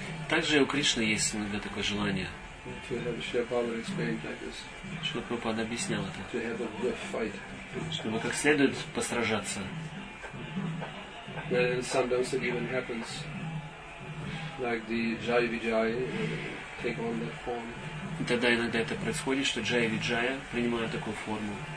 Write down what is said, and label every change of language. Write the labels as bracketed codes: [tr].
[ru] Также у Кришны есть иногда такое желание. Шрила Прабхупада объяснял это. Чтобы как следует посражаться. [en] And sometimes it even happens, like the Jaya Vijaya, take on that form. [ru] И тогда иногда это происходит, что Джая Виджая принимают такую форму.